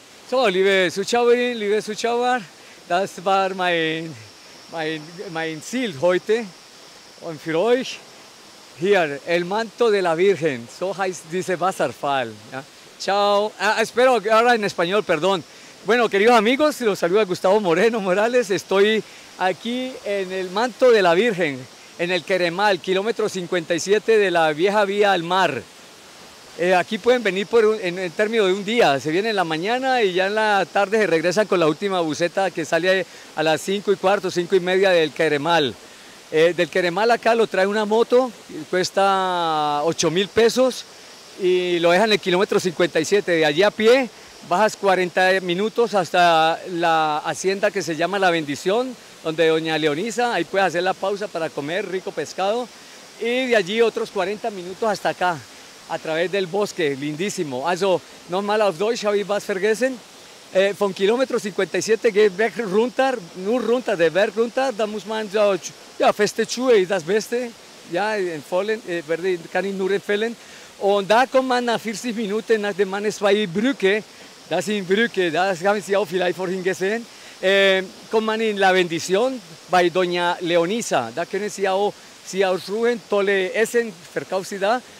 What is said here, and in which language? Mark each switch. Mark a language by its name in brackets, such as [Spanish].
[German] So, liebe Zuschauer, das war mein Ziel heute. Und für euch hier, El Manto de la Virgen, so heißt dieser Wasserfall. Ja. Chao. [Spanish] Espero, ahora en español, perdón. Bueno, queridos amigos, los saluda Gustavo Moreno Morales. Estoy aquí en el Manto de la Virgen, en el Queremal, kilómetro 57 de la vieja vía al mar. Aquí pueden venir en el término de un día. Se viene en la mañana y ya en la tarde se regresan con la última buseta que sale a las 5:15, 5:30 del Queremal. Del Queremal acá lo trae una moto, cuesta 8,000 pesos y lo dejan en el kilómetro 57. De allí a pie bajas 40 minutos hasta la hacienda que se llama La Bendición, donde doña Leonisa, ahí puedes hacer la pausa para comer rico pescado, y de allí otros 40 minutos hasta acá, a través del bosque, lindísimo. [German] Also, nochmal auf Deutsch, habe ich was vergessen. Von Kilómetro 57 geht Berg runter, nur runter, der Berg runter, da muss man so, ja, feste Schuhe, das Beste, ja, empfohlen, kann ich nur empfehlen. Und da kommt man nach 40 Minuten, nachdem man zwei Brücke, das sind Brücke, das haben Sie auch vielleicht vorhin gesehen, kommt man in La Bendición bei Doña Leonisa, da können Sie auch ruhen, tolle Essen, verkauft Sie da.